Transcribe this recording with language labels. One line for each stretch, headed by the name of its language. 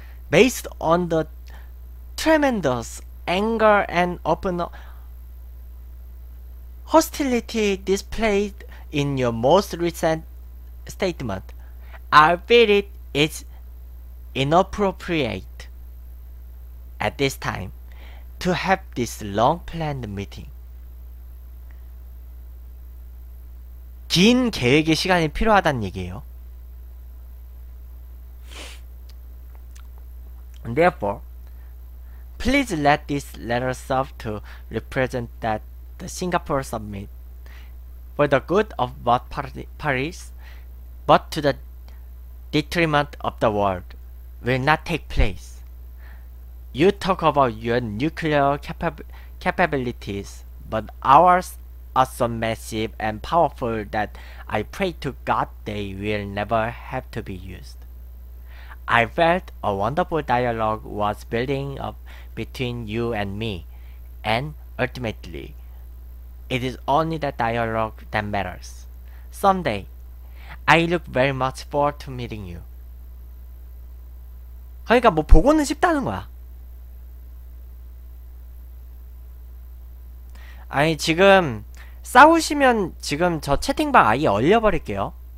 English: Based on the tremendous anger and open hostility displayed in your most recent statement, I feel it is inappropriate at this time to have this long-planned meeting.
Korean: 긴 계획의 시간이 필요하다는 얘기예요.
English: Therefore, please let this letter serve to represent that the Singapore Summit, for the good of both parties, but to the detriment of the world, will not take place. You talk about your nuclear capabilities, but ours are so massive and powerful that I pray to God they will never have to be used. I felt a wonderful dialogue was building up between you and me, and ultimately, it is only the dialogue that matters. Someday, I look very much forward to meeting you.
Korean: 그러니까 뭐 보고는 싶다는 거야. 아니 지금 싸우시면 지금 저 채팅방 아예 얼려버릴게요.